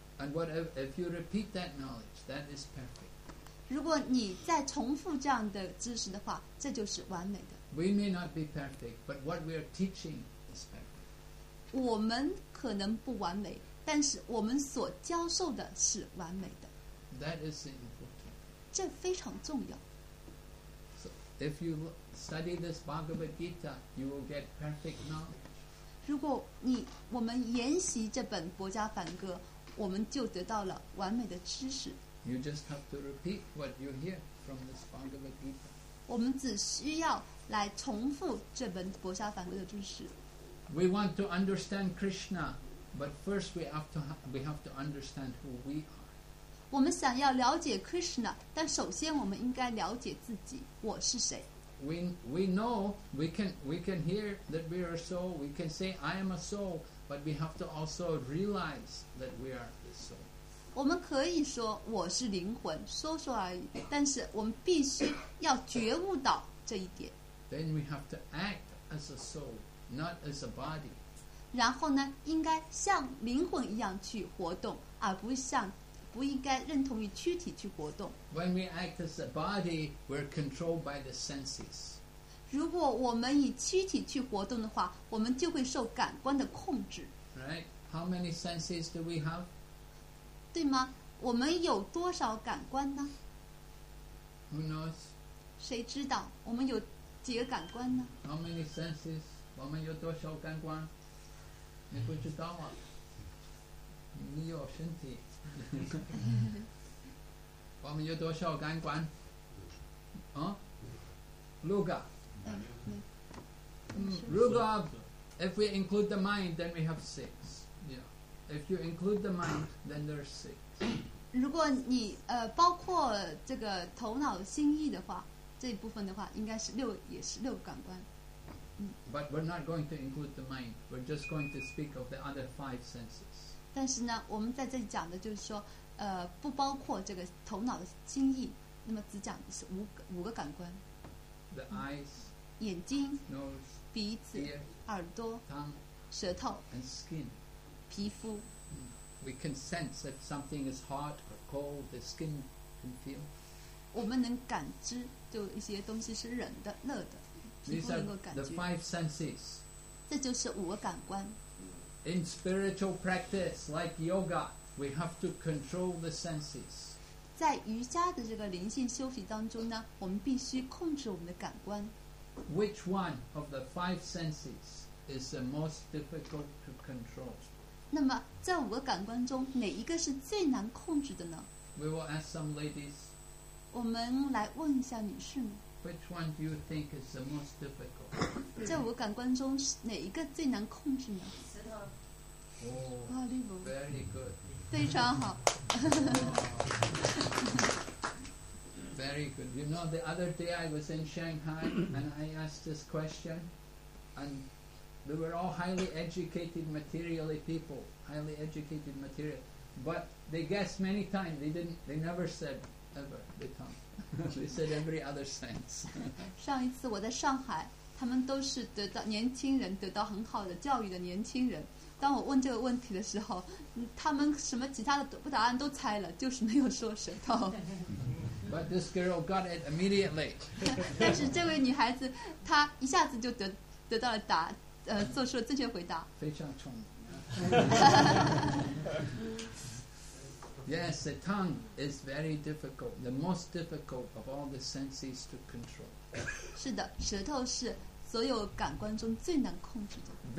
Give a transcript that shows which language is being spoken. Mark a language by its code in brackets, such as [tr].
[en] And what if you repeat that knowledge, that is perfect. [zh] 如果你再重复这样的知识的话，这就是完美的。 [en] We may not be perfect, but what we are teaching is perfect. [zh] 我们可能不完美，但是我们所教授的是完美的。 [en] That is important. [zh] 这非常重要。 [en] If you study this Bhagavad Gita, you will get perfect knowledge. [zh] 如果你我们研习这本《薄伽梵歌》，我们就得到了完美的知识。 [en] You just have to repeat what you hear from this Bhagavad Gita. [zh] 我们只需要来重复这本《薄伽梵歌》的知识。 [en] We want to understand Krishna, but first we have to understand who we are. [zh] 我们想要了解 Krishna， 但首先我们应该了解自己，我是谁。 [en] We know we can hear that we are a soul. We can say I am a soul, but we have to also realize that we are the soul. [zh] 我们可以说我是灵魂，说说而已，但是我们必须要觉悟到这一点。 [en] Then we have to act as a soul, not as a body. [zh] 然后呢，应该像灵魂一样去活动，而不像。不应该认同于躯体去活动。 [en] When we act as a body, we're controlled by the senses. [zh] 如果我们以躯体去活动的话，我们就会受感官的控制。 [en] Right? How many senses do we have? [zh] 对吗？我们有多少感官呢？ [en] Who knows? [zh] 谁知道？我们有几个感官呢？ [en] How many senses? [zh] 我们有多少感官？你不知道啊？你有身体。我们有多少感官？啊 ，Luga。 [en] Luga， if we include the mind, then we have six. Yeah. If you include the mind, then there's six. [zh] 如果你包括这个头脑心意的话，这一部分的话，应该是六，也是六感官。 [en] But we're not going to include the mind. We're just going to speak of the other five senses. [zh] 但是呢，我们在这里讲的就是说，不包括这个头脑的心意，那么只讲的是五个感官。 [en] The eyes, [zh] 眼睛、 [en] nose, [zh] 鼻子、 [en] ear, [zh] 耳朵、 [en] tongue, [zh] 舌头、 [en] and skin, [zh] 皮肤。 [en] We can sense that something is hot or cold. The skin can feel. [zh] 我们能感知，就一些东西是冷的、热的，皮肤能够感觉。 [en] These are the five senses. [zh] 这就是五个感官。 [en] In spiritual practice, like yoga, we have to control the senses. [zh] 在瑜伽的这个灵性修习当中呢，我们必须控制我们的感官。 [en] Which one of the five senses is the most difficult to control? [zh] 那么在五个感官中，哪一个是最难控制的呢？ [en] We will ask some ladies. [zh] 我们来问一下女士们。 [en] Which one do you think is the most difficult? [zh] 在五个感官中，哪一个最难控制呢？ [en] Oh, very good. [zh] 非常好。 [en] Very good. You know, the other day I was in Shanghai and I asked this question, and they were all highly educated, materially people, highly educated material. But they guessed many times. They never said ever the tongue. They said every other sense. [zh] 上一次我在上海，他们都是得到年轻人，得到很好的教育的年轻人。当我问这个问题的时候，他们什么其他的答案都猜了，就是没有说舌头。 [en] But this girl got it immediately. [zh] 但是这位女孩子，她一下子就得到了答，做出了正确回答。非常聪明。 [en] Yes, the tongue is very difficult, the most difficult of all the senses to control. [zh] 是的，舌头是所有感官中最难控制的。